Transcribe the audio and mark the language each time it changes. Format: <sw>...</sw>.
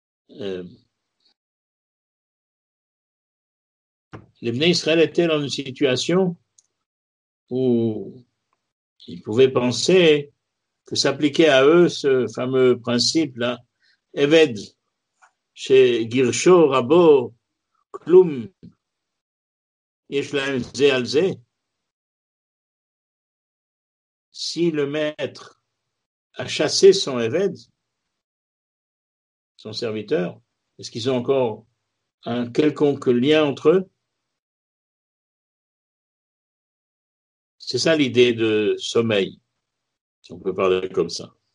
<fr>les Bnei Israël étaient dans une situation où ils pouvaient penser que s'appliquait à eux ce fameux principe-là, Eved</fr> <he>שגירשו רבו כלום, יש להם זה על זה?</he> <fr>Si le maître a chassé son Eved, son serviteur, est-ce qu'ils ont encore un quelconque lien entre eux? C'est ça l'idée de sommeil, si on peut parler comme ça.</fr>